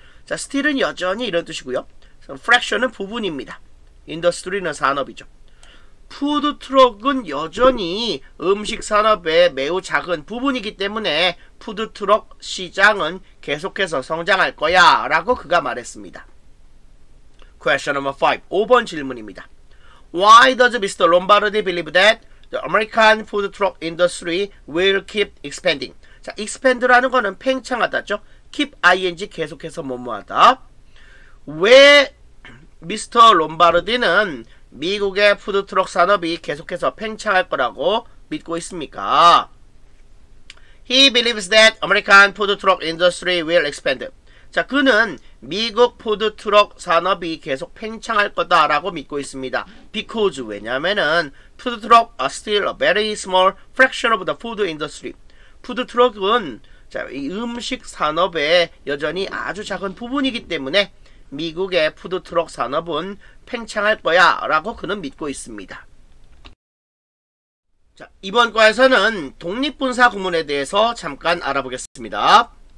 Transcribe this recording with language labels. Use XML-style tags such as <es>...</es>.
<ko>자, still은 여전히 이런 뜻이고요. fraction은 부분입니다. industry는 산업이죠. 푸드트럭은 여전히 음식산업의 매우 작은 부분이기 때문에 푸드트럭 시장은 계속해서 성장할 거야 라고 그가 말했습니다.</ko> <en>Question number 5.</en> <ko>5번 질문입니다.</ko> <en>Why does Mr. Lombardi believe that the American food truck industry will keep expanding?</en> <ko>자, expand라는 거는 팽창하다죠. keep ing 계속해서 뭐뭐하다. 왜 미스터 롬바르디는 미국의 푸드트럭 산업이 계속해서 팽창할 거라고 믿고 있습니까?</ko> <en>He believes that American food truck industry will expand.</en> <ko>자, 그는 미국 푸드트럭 산업이 계속 팽창할 거다라고 믿고 있습니다.</ko> <en>Because,</en> <ko>왜냐면은 푸드트럭</ko> <en>are still a very small fraction of the food industry.</en> <ko>푸드트럭은 자, 이 음식 산업에 여전히 아주 작은 부분이기 때문에 미국의 푸드트럭 산업은 팽창할 거야 라고 그는 믿고 있습니다. 자, 이번 과에서는 독립분사 구문에 대해서 잠깐 알아보겠습니다.</ko>